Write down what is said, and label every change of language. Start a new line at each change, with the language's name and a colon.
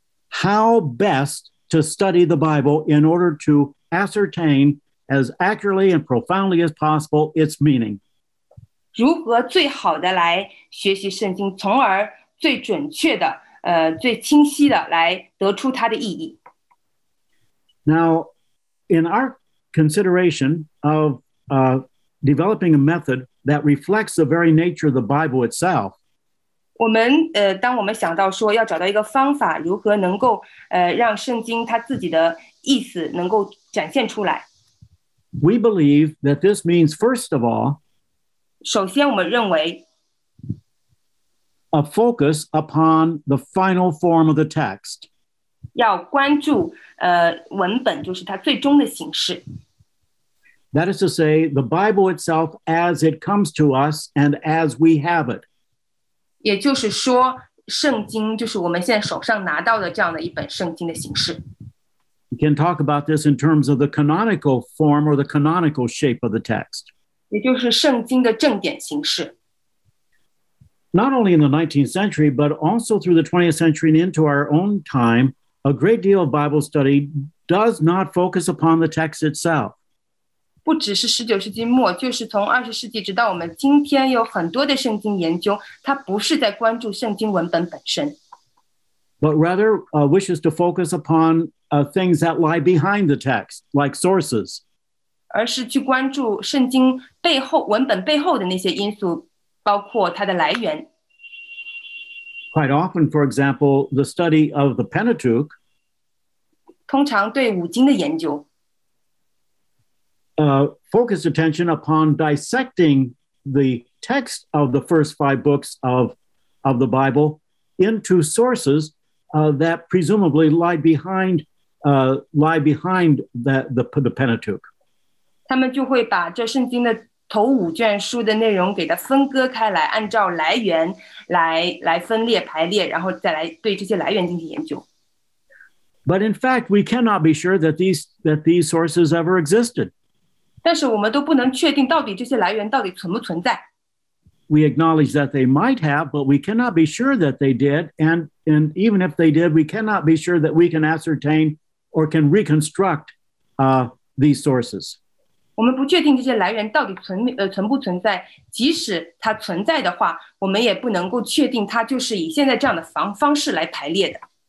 English: How best to study the Bible in order to ascertain as accurately and profoundly as possible its meaning.
Chinese: 如何最好的来学习圣经，从而最准确的最清晰的来得出它的意义。
English: Now, in our consideration of developing a method that reflects the very nature of the Bible itself.
Chinese: 我们当我们想到说要找到一个方法，如何能够让圣经它自己的意思能够展现出来。
English: We believe that this means, first of all,
Chinese: 首先我们认为
English: a focus upon the final form of the text.
Chinese: 要关注文本就是它最终的形式。
English: That is to say, the Bible itself as it comes to us and as we have it.
Chinese: 也就是说，圣经就是我们现在手上拿到的这样的一本圣经的形式。
English: We can talk about this in terms of the canonical form or the canonical shape of the text.
Chinese: 也就是圣经的正典形式。
English: Not only in the 19th century, but also through the 20th century and into our own time, a great deal of Bible study does not focus upon the text itself.
Chinese: 不只是十九世纪末，就是从二十世纪直到我们今天，有很多的圣经研究，它不是在关注圣经文本本身。
English: But rather, wishes to focus upon things that lie behind the text, like sources.
Chinese: 而是去关注圣经背后文本背后的那些因素，包括它的来源。
English: Quite often, for example, the study of the Pentateuch.
Chinese: 通常对五经的研究。
English: Focused attention upon dissecting the text of the first five books of the Bible into sources that presumably lie behind the Pentateuch.
Chinese: 他们就会把这圣经的头五卷书的内容给它分割开来，按照来源来分列排列，然后再来对这些来源进行研究。
English: But in fact, we cannot be sure that these sources ever existed.
Chinese: 但是我们都不能确定到底这些来源到底存不存在。
English: We acknowledge that they might have, but we cannot be sure that they did, and even if they did, we cannot be sure that we can ascertain or can reconstruct these sources.
Chinese: 我们不确定这些来源到底存不存在，即使它存在的话，我们也不能够确定它就是以现在这样的方式来排列的。